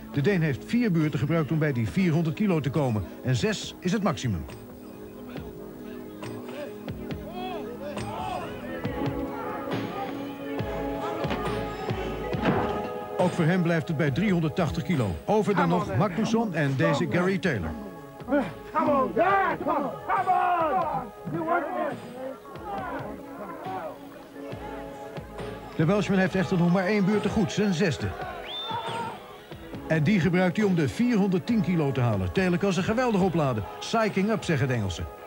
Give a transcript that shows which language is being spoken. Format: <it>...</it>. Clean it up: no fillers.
<nl>De Deen heeft 4 beurten gebruikt om bij die 400 kilo te komen. En 6 is het maximum. Ook voor hem blijft het bij 380 kilo. Over dan nog Magnusson en deze Gary Taylor.</nl> <en>Come on, yeah, come on, come on! You work it.</en> <nl>De Welshman heeft echter nog maar 1 beurt te goed, zijn 6e. En die gebruikt hij om de 410 kilo te halen. Taylor kan ze geweldig opladen.</nl> <en>Psyching up,</en> <nl>zeggen de Engelsen.</nl>